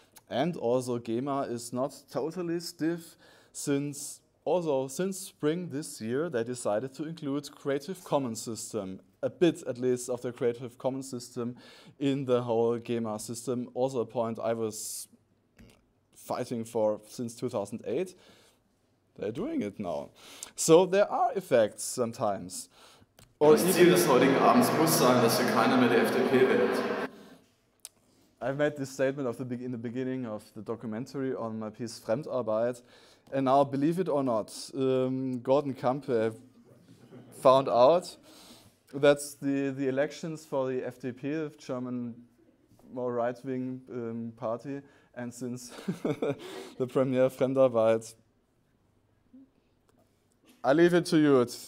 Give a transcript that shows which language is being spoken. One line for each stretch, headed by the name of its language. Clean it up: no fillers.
English: And also GEMA is not totally stiff, since spring this year they decided to include Creative Commons system, a bit at least of the Creative Commons system in the whole GEMA system, also a point I was fighting for since 2008. They're doing it now. So there are effects sometimes.
German: Das Ziel des heutigen Abends muss sein, dass hier keiner mehr der FDP wählt.
English: I've made this statement in the beginning of the documentary on my piece Fremdarbeit. And now, believe it or not, Gordon Kampe found out that the elections for the FDP, the German more right-wing party, and since the premier Fremdarbeit, I leave it to you.